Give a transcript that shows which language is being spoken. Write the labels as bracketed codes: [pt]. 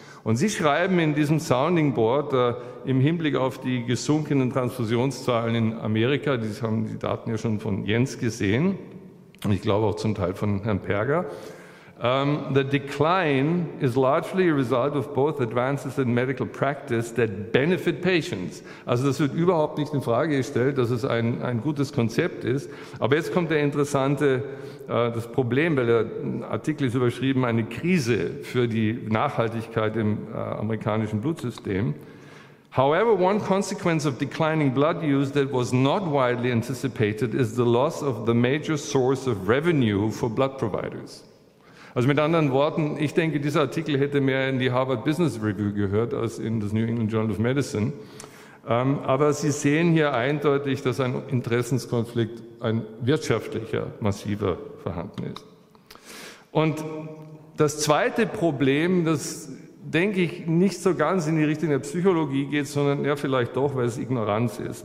[de] Und sie schreiben in diesem Sounding Board im Hinblick auf die gesunkenen Transfusionszahlen in Amerika, die haben die Daten ja schon von Jens gesehen, und ich glaube auch zum Teil von Herrn Perger, [en] the decline is largely a result of both advances in medical practice that benefit patients. [de] Also das wird überhaupt nicht in Frage gestellt, dass es ein gutes Konzept ist. Aber jetzt kommt der interessante, das Problem, weil der Artikel ist überschrieben, eine Krise für die Nachhaltigkeit im amerikanischen Blutsystem. [en] However, one consequence of declining blood use that was not widely anticipated is the loss of the major source of revenue for blood providers. [de] Also mit anderen Worten, ich denke, dieser Artikel hätte mehr in die Harvard Business Review gehört als in das New England Journal of Medicine. Aber Sie sehen hier eindeutig, dass ein Interessenskonflikt ein wirtschaftlicher, massiver vorhanden ist. Und das zweite Problem, das denke ich nicht so ganz in die Richtung der Psychologie geht, sondern ja vielleicht doch, weil es Ignoranz ist.